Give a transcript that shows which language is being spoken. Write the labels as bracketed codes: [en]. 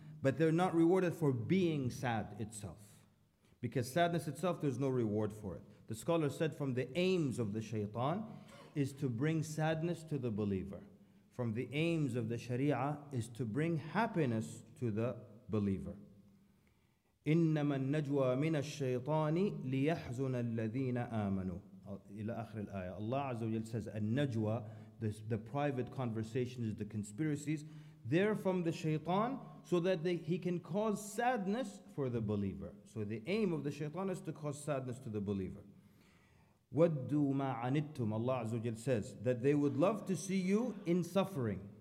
[en] But they're not rewarded for being sad itself. Because sadness itself, there's no reward for it. The scholar said from the aims of the shaitan is to bring sadness to the believer. From the aims of the sharia is to bring happiness to the believer. [ar] إنما النجوى من الشيطان ليحزن الذين آمنوا إلى آخر الآية. الله عز وجل [en] says النجوى, the private conversations, the conspiracies, they're from the shaitan so that he can cause sadness for the believer. So the aim of the shaitan is to cause sadness to the believer. [ar] وَدُّوا مَا عَنِدْتُمْ, [en] Allah Azza wa Jal says, that they would love to see you in suffering.